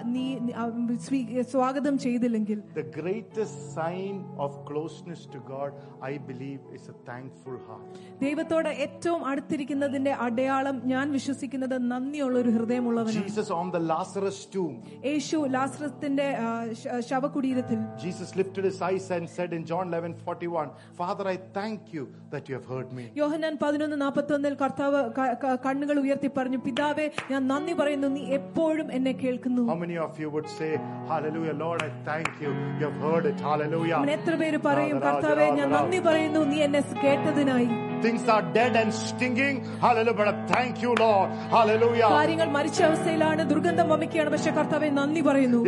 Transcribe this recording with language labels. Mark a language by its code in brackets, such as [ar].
[ml] നീ സ്വാഗതം ചെയ്തില്ലെങ്കിൽ [en] the greatest sign of closeness to God I believe is a thankful heart. [ml] ദൈവത്തോട് ഏറ്റവും അടുത്തിരിക്കുന്നതിന്റെ അടയാളം ഞാൻ വിശ്വസിക്കുന്നത് നന്ദിയുള്ള ഒരു ഹൃദയമുള്ളവനാണ്. [en] Jesus on the Lazarus tomb. [ml] Yeshu ലാസറസിന്റെ ശവകുടീരത്തിൽ [en] Jesus lifted his eyes and said in John 11:41 Father I thank you that you have heard me. [ml] യോഹന്നാൻ 11:41 ൽ കർത്താവ് കണ്ണുകൾ ഉയർത്തി പറഞ്ഞു പിതാവേ ഞാൻ നന്ദി പറയുന്നു നീ എപ്പോഴും എന്നെ കേൾക്കുന്നു. [en] How many of you would say hallelujah Lord I thank you you have heard it hallelujah. [ml] ഞാൻ എത്ര പേര് പറയും കർത്താവേ ഞാൻ നന്ദി പറയുന്നു നീ എന്നെ കേട്ടതിനായി. [en] Things are dead and stinging hallelujah but thank you Lord hallelujah. [ml] കാര്യങ്ങൾ മരിച്ച അവസ്ഥയിലാണ് ദുർഗന്ധം വമിക്കുകയാണ് പക്ഷേ കർത്താവേ നന്ദി പറയുന്നു.